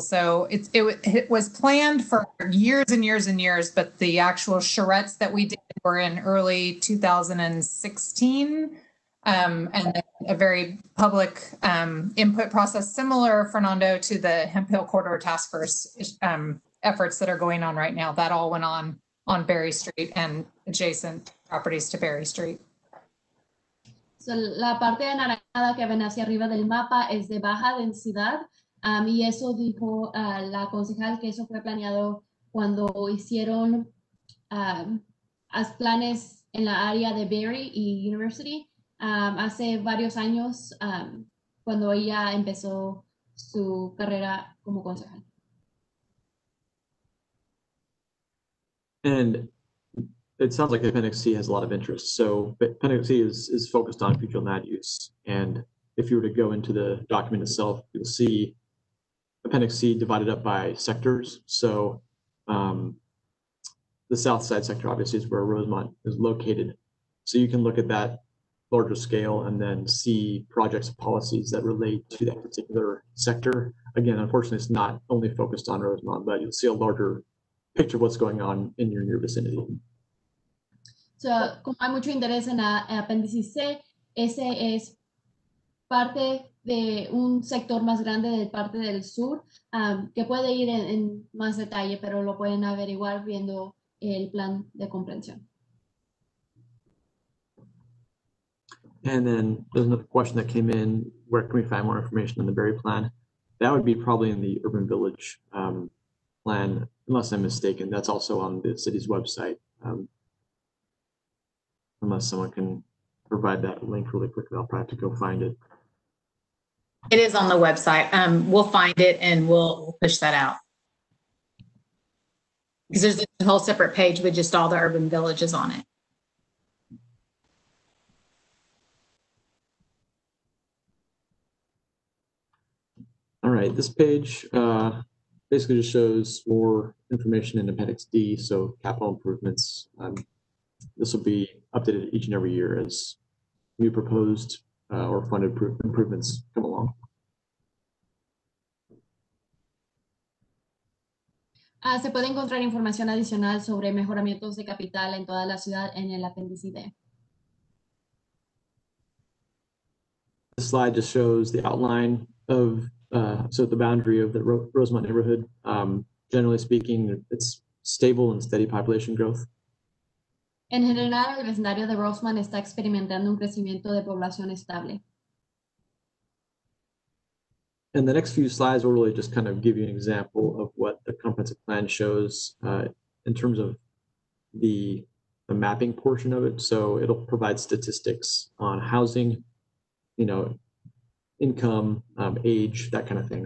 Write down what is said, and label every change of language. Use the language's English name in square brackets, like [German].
[English] So it was planned for years and years and years, but the actual charrettes that we did were in early 2016. And a very public input process, similar, Fernando, to the Hemp Hill Corridor Task Force efforts that are going on right now. That all went on Barrie Street and adjacent properties to Barrie Street. [Spanish] So la parte anaranjada que ven hacia arriba del mapa es de baja densidad, y eso dijo la concejal que eso fue planeado cuando hicieron planes en la área de Barrie y University hace varios años cuando ella empezó su carrera como concejal. [English] And it sounds like Appendix C has a lot of interest. So Appendix C is focused on future land use. And if you were to go into the document itself, you'll see Appendix C divided up by sectors. So the south side sector obviously is where Rosemont is located. So you can look at that larger scale and then see projects and policies that relate to that particular sector. Again, unfortunately, it's not only focused on Rosemont, but you'll see a larger picture of what's going on in your vicinity. [Spanish] So, como hay mucho interés en el apéndice C, ese es parte de un sector más grande de parte del sur, que puede ir en más detalle, pero lo pueden averiguar viendo el plan de comprensión. [English] And then there's another question that came in, where can we find more information on the Barrie plan? That would be probably in the urban village plan, unless I'm mistaken. That's also on the city's website. Unless someone can provide that link really quickly, I'll probably have to go find it. It is on the website. We'll find it and we'll push that out. Because there's a whole separate page with just all the urban villages on it. All right, this page basically just shows more information in Appendix D, so capital improvements. This will be updated each and every year as new proposed or funded improvements come along. [Spanish] Se puede encontrar información adicional sobre mejoramientos de capital en toda la ciudad en el apéndice D. [English] This slide just shows the outline of so the boundary of the Rosemont neighborhood. Generally speaking, it's stable and steady population growth. [Spanish] En general, el vecindario de Rosemont está experimentando un crecimiento de población estable. [English] And the next few slides will really just kind of give you an example of what the comprehensive plan shows in terms of the mapping portion of it. So it'll provide statistics on housing, you know, income, age, that kind of thing.